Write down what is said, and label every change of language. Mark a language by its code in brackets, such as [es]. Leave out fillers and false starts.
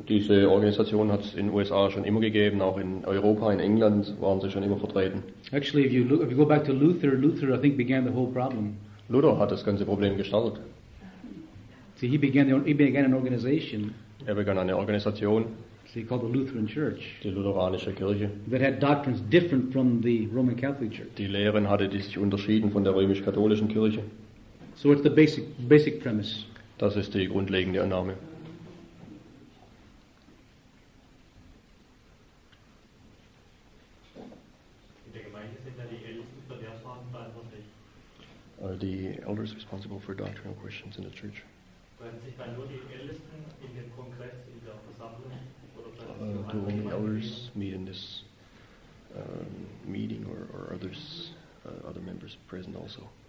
[de] Diese Organisation hat es in USA schon immer gegeben. Auch in Europa, in England waren sie schon immer vertreten. [en] Actually, if you go back to Luther, Luther I think began the whole problem. [de] Luther hat das ganze Problem gestartet. [en] See, he began an organization. [de] Er begann eine Organisation. [en] See, called the Lutheran Church. [de] Die lutheranische Kirche. [en] That had doctrines different from the Roman Catholic Church. [de] Die Lehren hatte, die sich unterschieden von der römisch-katholischen Kirche. [en] So it's the basic premise. [de] Das ist die grundlegende Annahme. In der Gemeinde sind ja die Ältesten für Lehrfragen verantwortlich. [en] The elders responsible for doctrinal questions in the church. [de] Können sich dann nur die Ältesten in dem Kongress, in der Versammlung [en] Do only the elders meet in this meeting, or others, other members present also?